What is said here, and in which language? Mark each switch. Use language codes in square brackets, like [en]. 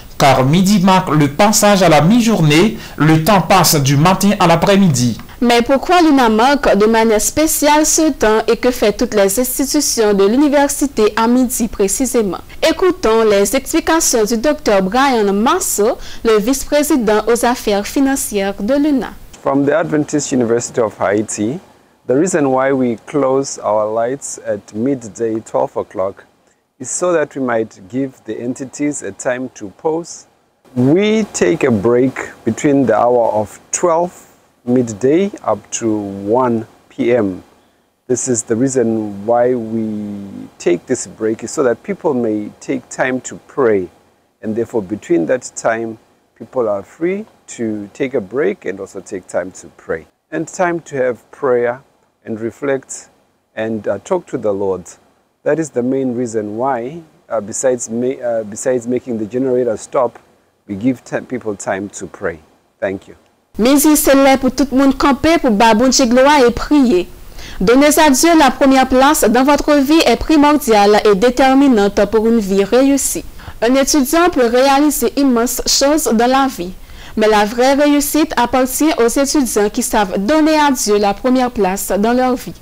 [fr] Car midi marque le passage à la mi-journée, le temps passe du matin à l'après-midi. Mais pourquoi l'UNA manque de manière spéciale ce temps et que fait toutes les institutions de l'université à midi précisément? Écoutons les explications du Dr Brian Marceau, le vice-président aux affaires financières de l'UNA. [en] From the Adventist University of Haiti, the reason why we close our lights at midday 12 o'clock is so that we might give the entities a time to pause. We take a break between the hour of 12 midday up to 1 p.m. This is the reason why we take this break, so that people may take time to pray. And therefore, between that time, people are free to take a break and also take time to pray. And time to have prayer and reflect and talk to the Lord. That is the main reason why, besides making the generator stop, we give people time to pray. Thank you. [fr] Mizi célèbre pour tout le monde camper pour Babon Chigloa et prier. Donner à Dieu la première place dans votre vie est primordiale et déterminante pour une vie réussie. Un étudiant peut réaliser immenses choses dans la vie, mais la vraie réussite appartient aux étudiants qui savent donner à Dieu la première place dans leur vie.